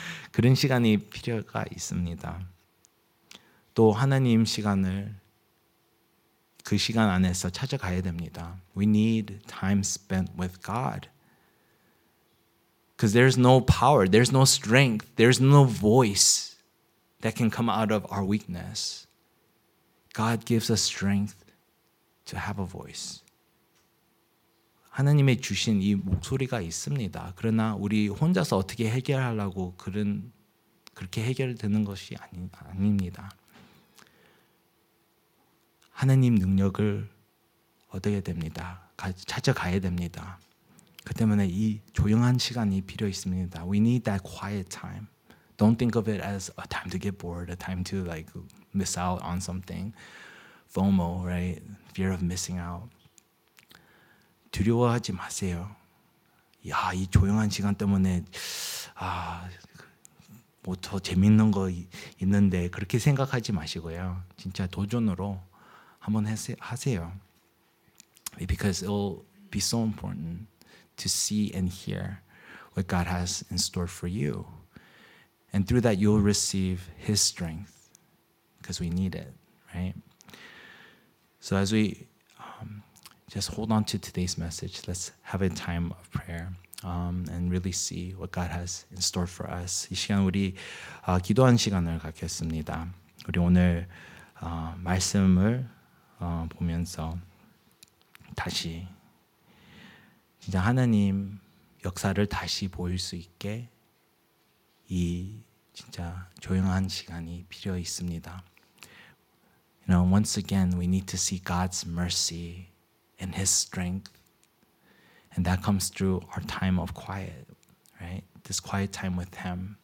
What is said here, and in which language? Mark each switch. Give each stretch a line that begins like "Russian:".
Korean: 그런 시간이 필요가 있습니다. 또 하나님 시간을 그 시간 안에서 찾아가야 됩니다.
English: We need time spent with God. Because there's no power, there's no strength, there's no voice that can come out of our weakness. God gives us strength to have a voice.
Korean: 하나님의 주신 이 목소리가 있습니다. 그러나 우리 혼자서 어떻게 해결하려고 그렇게 해결되는 것이 아닙니다. 하나님 능력을 얻어야 됩니다. 찾아가야 됩니다. 그 때문에 이 조용한 시간이 필요 있습니다.
English: We need that quiet time. Don't think of it as a time to get bored, a time to like miss out on something. FOMO, right? Fear of missing out.
Korean: 두려워하지 마세요. 야, 이 조용한 시간 때문에 아, 뭐 더 재밌는 거 있는데 그렇게 생각하지 마시고요. 진짜 도전으로 한번 하세요.
English: Because it will be so important to see and hear what God has in store for you. And through that, you'll receive His strength because we need it, right? So as we just hold on to today's message, let's have a time of prayer and really see what God has in store for us.
Korean: 이 시간 우리 기도한 시간을 갖겠습니다. 우리 오늘 말씀을 보면서 다시 진짜 하나님 역사를 다시 보일 수 있게 이 진짜 조용한 시간이 필요 있습니다.
English: You know, once again, we need to see God's mercy and His strength, and that comes through our time of quiet, right? This quiet time with Him.